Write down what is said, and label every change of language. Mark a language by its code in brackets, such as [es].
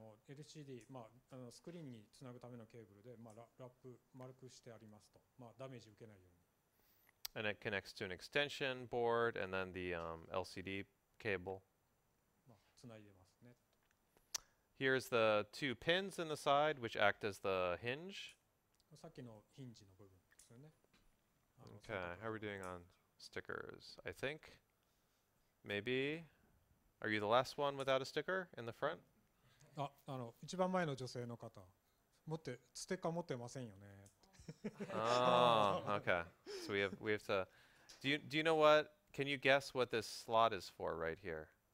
[ja] LCD, screen に繋ぐためのケーブルで、ラップ丸くしてありますと、ダメージ受けないように。 [en] And it connects to an extension board and then the LCD cable. [ja] 繋いでますね。 [en] Here's the two pins in the side which act as the hinge. [ja] さっきのヒンジの部分ですよね。 [en] Okay, how are we doing on stickers? I think maybe. Are you the last one without a sticker in the front? [ja] あの一番前の女性の方、持ってステッカー持ってませんよね。 [en] Oh, okay. So we have to. Do you know what? Can you guess what this slot is for right here?